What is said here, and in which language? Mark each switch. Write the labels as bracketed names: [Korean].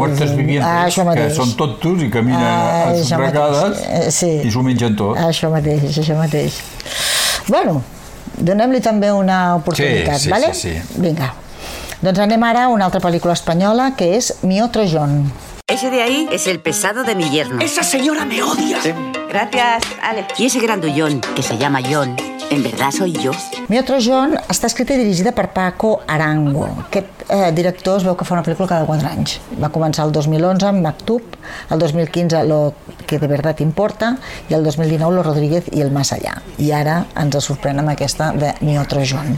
[Catalan] Mortes vivientes, que són tontos i caminen esbregades, sí, i s'ho mengen tot. Això mateix. Bueno, donem-li també una oportunitat, d'acord? Sí. Vinga. Doncs anem ara a una altra pel·lícula espanyola, que és Mi otro John. [Spanish] Ese de ahí es el pesado de mi yerno. ¡Esa señora me odia! Sí. Gracias, Ale. Y ese grandullón, que se llama John, en verdad soy yo. [Catalan] Mi otro John està escrita i dirigida per Paco Arango. Aquest director es veu que fa una pel·lícula cada 4 anys. Va començar el 2011 amb Mactub, el 2015 Lo que de verdad te importa, i el 2019 Lo Rodríguez i El más allá. I ara ens sorprèn amb aquesta de Mi otro John.